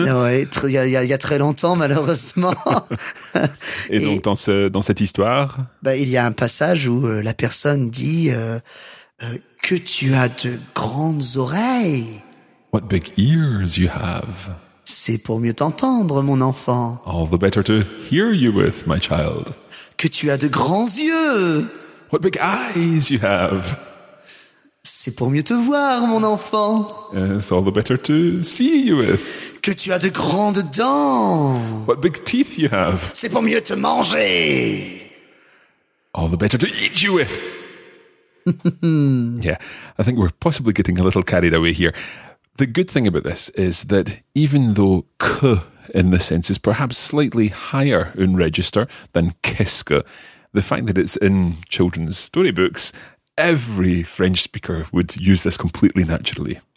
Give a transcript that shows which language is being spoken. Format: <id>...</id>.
<fr>Ouais, il y a très longtemps, malheureusement. Et donc, dans cette histoire, Il y a un passage où la personne dit que tu as de grandes oreilles.</fr> <en>What big ears you have.</en> <fr>C'est pour mieux t'entendre, mon enfant.</fr> <en>All the better to hear you with, my child.</en> <fr>Que tu as de grands yeux.</fr> <en>What big eyes you have.</en> <fr>C'est pour mieux te voir, mon enfant.</fr> <en>It's all the better to see you with.</en> <fr>Que tu as de grandes dents.</fr> <en>What big teeth you have.</en> <fr>C'est pour mieux te manger.</fr> <en>All the better to eat you with. Yeah, I think we're possibly getting a little carried away here. The good thing about this is that even though k in this sense is perhaps slightly higher in register than keske, the fact that it's in children's storybooks, every French speaker would use this completely naturally.</en>